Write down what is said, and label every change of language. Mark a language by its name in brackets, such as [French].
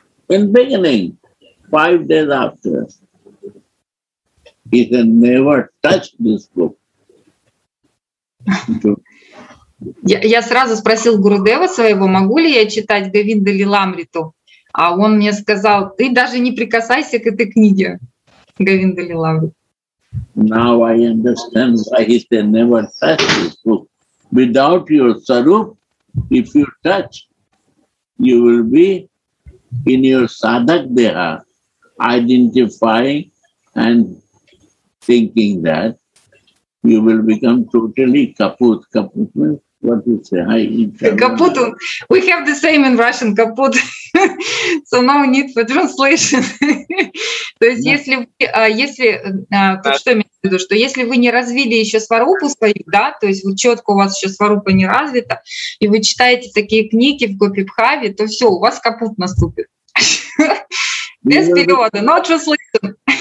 [English] In beginning, 5 days after, he said, never touch this book. [Russian] Я сразу спросил Гурудева своего, могу ли я читать Говинда Лиламриту? А он мне сказал, ты даже не прикасайся к этой книге, Говинда Лилавы. [English] Now I understand why he said never touch this book. Without your sarup, if you touch, you will be in your sadhak deha, identifying and thinking that you will become totally kaput. Kaput means what you say, I eat. Kaput, we have the same in Russian, kaput. So no need for translation. [Russian] То есть [English] yeah. [Russian] Если вы, если, то что я имею в виду, что если вы не развили еще сварупу свою, да, то есть вот четко у вас еще сварупа не развита, и вы читаете такие книги в гопи бхаве, то все, у вас капут наступит. Без перевода, но [English] just listen.